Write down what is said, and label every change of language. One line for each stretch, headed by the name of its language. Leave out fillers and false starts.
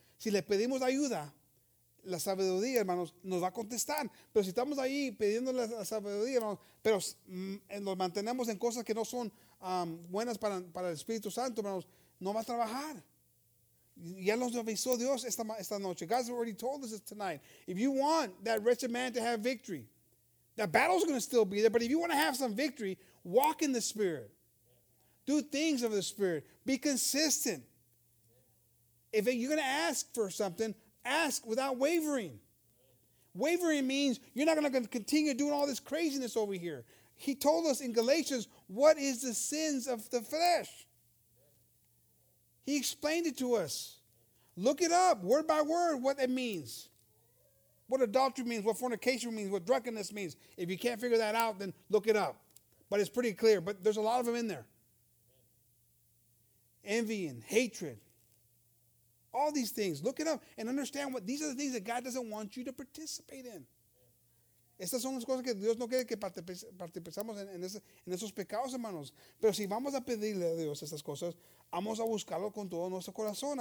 Spanish: Si le pedimos ayuda, la sabiduría, hermanos, nos va a contestar. Pero si estamos ahí pidiendo la sabiduría, hermanos, pero nos mantenemos en cosas que no son buenas para el Espíritu Santo, hermanos, no va a trabajar. Ya nos avisó Dios esta noche.
English: God's already told us this tonight. If you want that wretched man to have victory, the battle's going to still be there, but if you want to have some victory, walk in the Spirit. Do things of the Spirit. Be consistent. If you're going to ask for something, ask without wavering. Wavering means you're not going to continue doing all this craziness over here. He told us in Galatians, what is the sins of the flesh? He explained it to us. Look it up, word by word, what it means. What adultery means, what fornication means, what drunkenness means. If you can't figure that out, then look it up. But it's pretty clear. But there's a lot of them in there. Envying, hatred. All these things. Look it up and understand what these are the things that God doesn't want you to participate in.
Spanish: Estas son las cosas que Dios no quiere que participemos en esos pecados, hermanos. Pero si vamos a pedirle a Dios estas cosas, vamos a buscarlo con todo nuestro corazón.